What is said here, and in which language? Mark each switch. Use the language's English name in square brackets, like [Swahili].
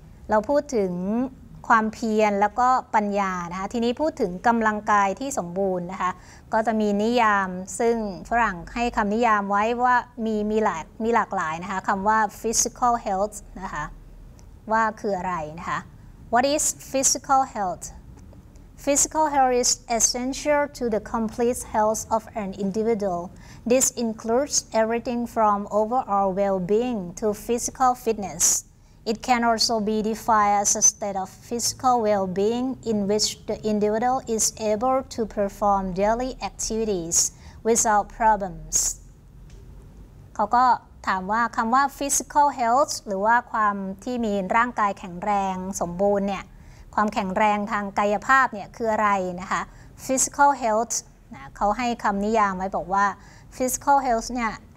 [Thai] เราพูดถึงความเพียรแล้วก็ปัญญานะคะทีนี้พูดถึงกำลังกายที่สมบูรณ์นะคะก็จะมีนิยามซึ่งฝรั่งให้คำนิยามไว้ว่ามีหลากหลายนะคะคำว่า physical health นะคะว่าคืออะไรนะคะ [English] What is physical healthPhysical health is essential to the complete health of an individual. This includes everything from overall well-being to physical fitness. It can also be defined as a state of physical well-being in which the individual is able to perform daily activities without problems. [Thai] เขาก็ถามว่าคำว่า physical health หรือว่าความที่มีร่างกายแข็งแรงสมบูรณ์เนี่ยความแข็งแรงทางกายภาพเนี่ยคืออะไรนะคะ physical health นะเขาให้คำนิยามไว้บอกว่า physical health เนี่ย